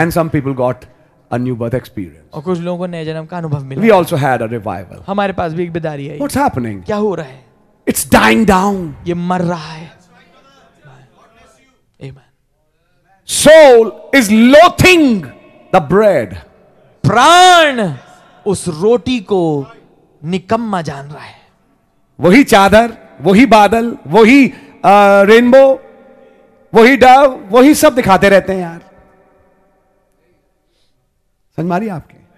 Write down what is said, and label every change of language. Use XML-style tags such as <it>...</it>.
<en>And some people got a new birth experience.</en> <hi>और कुछ लोगों को नए जन्म का अनुभव मिला.</hi> <en>We also had a revival.</en> <hi>हमारे पास भी एक बिदारी आई.</hi> <en>What's happening?</en> <hi>क्या हो रहा है?</hi> <en>It's dying down.</en> <hi>ये मर रहा है.</hi> <en>Amen. Soul is loathing the bread.</en> <hi>प्राण उस रोटी को निकम्मा जान रहा है. वही चादर, वही बादल, वही रेनबो, वही डव, वही सब दिखाते रहते हैं यार. समझ मारी आपके?</hi>